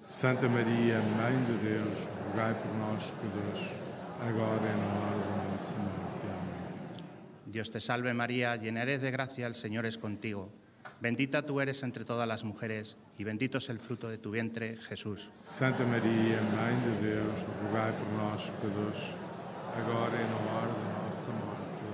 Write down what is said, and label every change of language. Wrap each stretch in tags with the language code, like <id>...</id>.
<pt>Santa María, Mãe de Deus, rogai por nós, pecadores, agora e na hora de nossa morte.</pt> <es>Dios te salve María, llena eres de gracia, el Señor es contigo. Bendita tú eres entre todas las mujeres y bendito es el fruto de tu vientre, Jesús.</es> <pt>Santa María, Mãe de Deus, rogai por nós, pecadores, agora e na hora de nossa morte.</pt>